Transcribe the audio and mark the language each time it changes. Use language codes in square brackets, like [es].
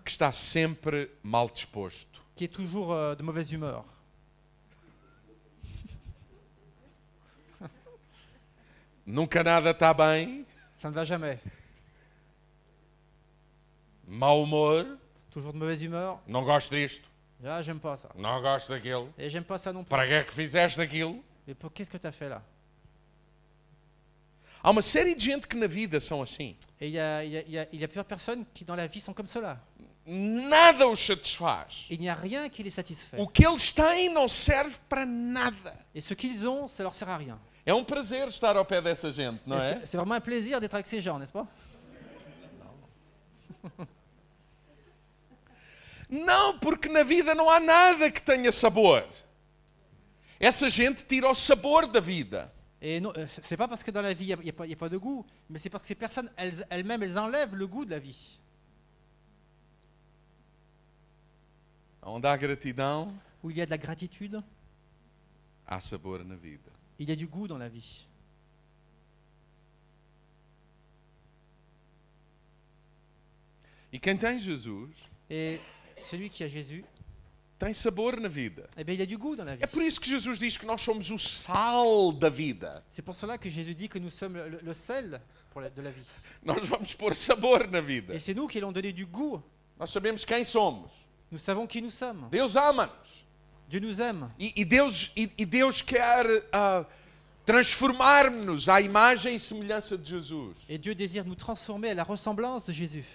[pt] Que está sempre mal disposto. [fr] Qui est toujours de mauvaise humeur. [pt] Nunca nada está bem. [fr] Ça ne va jamais. [pt] Mau humor. [fr] Toujours de mauvaise humeur. [pt] Não gosto disto. [fr] Ah, j'aime pas ça. [pt] Não gosto daquilo. [fr] Et j'aime pas ça non plus. [pt] Para que é que fizeste aquilo? [fr] Et pour qu'est-ce que tu as fait là? [pt] Há uma série de gente que na vida são assim. [fr] Et il y a plusieurs personnes qui dans la vie sont comme cela. [pt] Nada os satisfaz. [fr] Il n'y a rien qui les satisfait. [pt] O que eles têm não serve para nada. [fr] Et ce qu'ils ont, ça leur sert à rien. [pt] É um prazer estar ao pé dessa gente, não é? [fr] C'est vraiment un plaisir d'être avec ces gens, n'est-ce pas? [pt] Não, porque na vida não há nada que tenha sabor. Essa gente tira o sabor da vida. E não, [fr] c'est pas parce que dans la vie y a pas de goût, mais c'est parce que ces personnes elles-mêmes elles enlèvent le goût de la vie. [pt] Onde há gratidão? [fr] Où il y a de la gratitude? [pt] Há sabor na vida. [fr] Il y a du goût dans la vie. [pt] E quem tem Jesus? [fr] Et celui qui a Jésus [pt] tem sabor na vida. [fr] Eh bien, il y a du goût dans la vie. [pt] É por isso que Jesus diz que nós somos o sal da vida. [fr] C'est pour cela que Jésus dit que nous sommes le sel de la vie. [pt] Nós vamos pôr sabor na vida. [fr] Et c'est nous qui allons donner du goût. [pt] Nós sabemos quem somos. [fr] Nous savons qui nous sommes. [pt] Deus ama-nos. [fr] Dieu nous aime. [pt] E Deus quer transformar-nos à imagem e semelhança de Jesus. [fr] Et Dieu désire nous transformer à la ressemblance de Jésus.